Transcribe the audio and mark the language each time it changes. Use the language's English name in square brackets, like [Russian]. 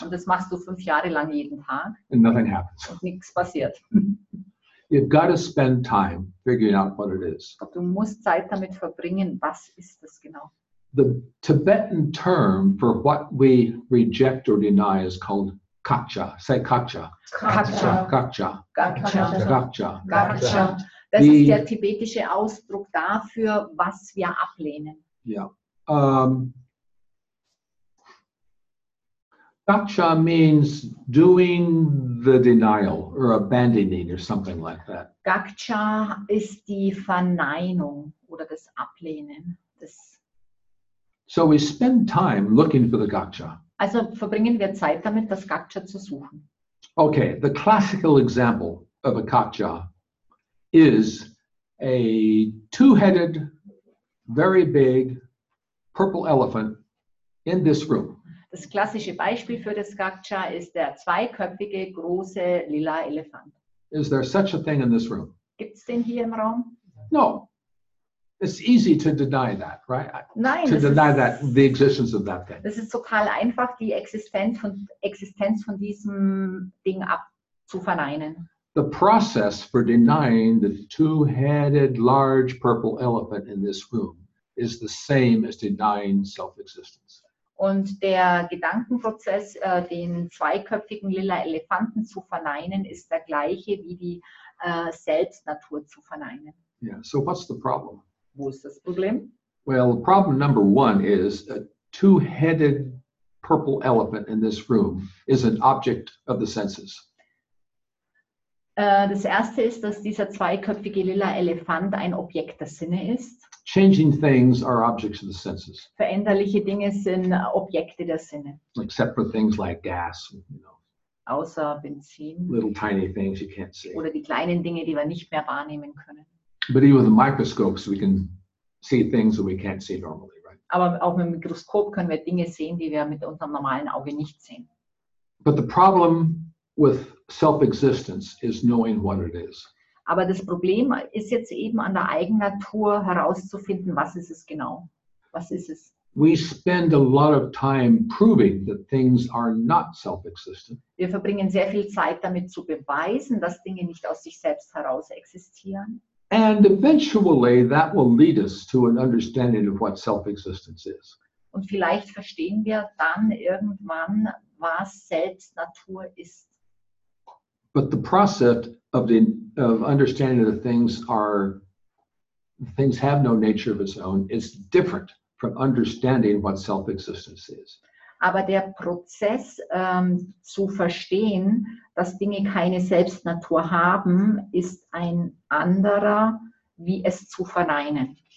[German] Und das machst du 5 Jahre lang jeden Tag. [English] And nothing happens. [German] Und nichts passiert. [English] You've got to spend time figuring out what it is. [German] Du musst Zeit damit verbringen, was ist das genau? [English] The Tibetan term for what we reject or deny is called kaccha. Say kaccha. Kaccha. Kaccha. Kaccha. Kaccha. Kaccha. [German] Das ist der tibetische Ausdruck dafür, was wir ablehnen. [English] Yeah. Kaccha means doing the denial or abandoning or something like that. [German] Kaccha ist die Verneinung oder das Ablehnen. Das [English] so we spend time looking for the kaccha. [German] Also verbringen wir Zeit damit, das Kaccha zu suchen. [English] Okay, the classical example of a kaccha is a two-headed, very big, purple elephant in this room. [German] Das klassische Beispiel für das Kaccha ist der zweiköpfige, große, lila Elefant. [English] Is there such a thing in this room? [German] Gibt es den hier im Raum? [English] No. It's easy to deny that, right? [German] Nein. [English] To deny that, the existence of that thing. [German] Das ist total einfach, die Existenz von diesem Ding abzuverneinen. [English] The process for denying the two-headed, large, purple elephant in this room is the same as denying self-existence. [German] Und der Gedankenprozess, den zweiköpfigen lila Elefanten zu verneinen, ist der gleiche wie die Selbstnatur zu verneinen. [English] Yeah. So what's the problem? [German] Wo ist das Problem? [English] Well, problem number one is a two-headed purple elephant in this room is an object of the senses. [German] Das erste ist, dass dieser zweiköpfige lila Elefant ein Objekt der Sinne ist. [English] Changing things are objects of the senses. [German] Veränderliche Dinge sind Objekte der Sinne. [English] Except for things like gas, you know. [German] Außer Benzin. [English] Little tiny things you can't see. [German] Oder die kleinen Dinge, die wir nicht mehr wahrnehmen können. [English] But even with the microscopes we can see things that we can't see normally, right? [German] Aber auch mit dem Mikroskop können wir Dinge sehen, die wir mit unserem normalen Auge nicht sehen. [English] But the problem with self-existence is knowing what it is. [German] Aber das Problem ist jetzt eben an der Eigennatur herauszufinden, was ist es genau? Was ist es? [English] We spend a lot of time proving that things are not self-existent. [German] Wir verbringen sehr viel Zeit damit zu beweisen, dass Dinge nicht aus sich selbst heraus existieren. [English] And eventually that will lead us to an understanding of what self-existence is. [German] Und vielleicht verstehen wir dann irgendwann, was Selbstnatur ist. [English] But the process of understanding that things have no nature of its own is different from understanding what self-existence is. [German] Aber der Prozess zu verstehen, dass Dinge keine Selbstnatur haben, ist ein anderer, wie es zu verneinen.